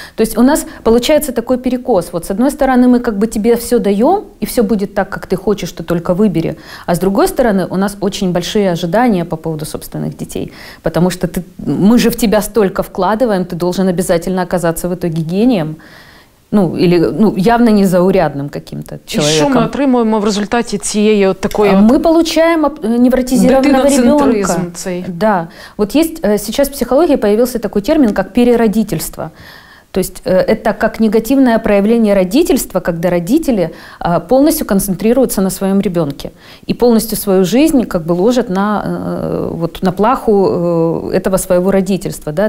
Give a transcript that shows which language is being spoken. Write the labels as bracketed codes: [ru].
[ru] То есть у нас получается такой перекос. Вот с одной стороны мы как бы тебе все даем, и все будет так, как ты хочешь, что только выбери. А с другой стороны у нас очень большие ожидания по поводу собственных детей. Потому что мы же в тебя столько вкладываем, ты должен обязательно оказаться в итоге гением. Ну, или ну, явно незаурядным каким-то человеком. И что мы [uk] отримуємо в результате цієї от такої... [ru] Мы получаем невротизированного ребенка. [uk] Цей. [ru] Да. Вот есть сейчас в психологии появился такой термин, как переродительство. То есть это как негативное проявление родительства, когда родители полностью концентрируются на своем ребенке и полностью свою жизнь как бы ложат на плаху этого своего родительства. Да?